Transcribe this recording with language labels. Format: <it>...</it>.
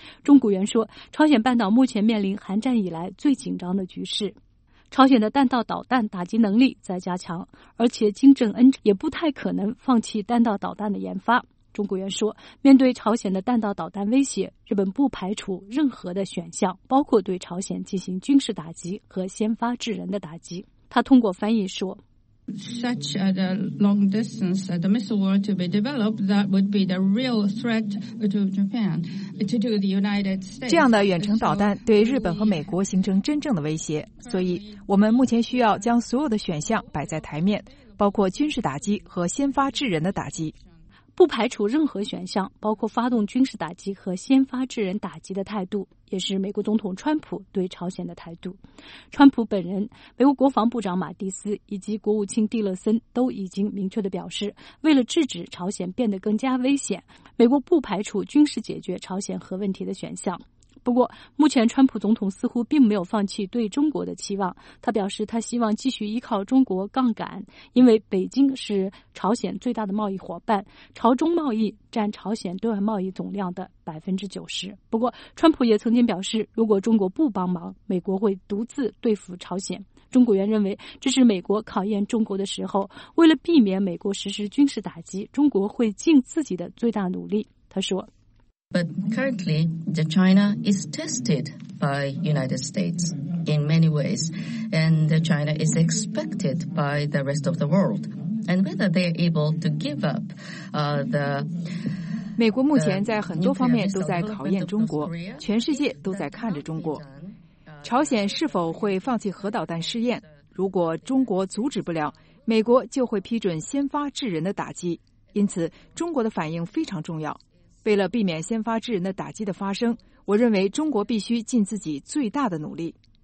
<zh>中谷元说，朝鲜半岛目前面临韩战以来最紧张的局势，朝鲜的弹道导弹打击能力在加强，而且金正恩也不太可能放弃弹道导弹的研发。中国元说，面对朝鲜的弹道导弹威胁，日本不排除任何的选项，包括对朝鲜进行军事打击和先发制人的打击。他通过翻译说，</zh> <en>Such a long distance the missile were to be developed, that would be the real threat to Japan, to the United States.</en> <zh>这样的远程导弹对日本和美国形成真正的威胁，所以我们目前需要将所有的选项摆在台面，包括军事打击和先发制人的打击。不排除任何选项，包括发动军事打击和先发制人打击的态度，也是美国总统川普对朝鲜的态度。川普本人、美国国防部长马蒂斯以及国务卿蒂勒森都已经明确地表示，为了制止朝鲜变得更加危险，美国不排除军事解决朝鲜核问题的选项。不过，目前川普总统似乎并没有放弃对中国的期望。他表示，他希望继续依靠中国杠杆，因为北京是朝鲜最大的贸易伙伴，朝中贸易占朝鲜对外贸易总量的90%。不过，川普也曾经表示，如果中国不帮忙，美国会独自对付朝鲜。中国元认为，这是美国考验中国的时候，为了避免美国实施军事打击，中国会尽自己的最大努力。他说，</zh> <en>But currently, the China is tested by United States in many ways, and China is expected by the rest of the world. And whether they are able to give up, the</en> <zh>美国目前在很多方面都在考验中国，全世界都在看着中国。朝鲜是否会放弃核导弹试验？如果中国阻止不了，美国就会批准先发制人的打击。因此，中国的反应非常重要。为了避免先发制人的打击的发生，我认为中国必须尽自己最大的努力。</zh>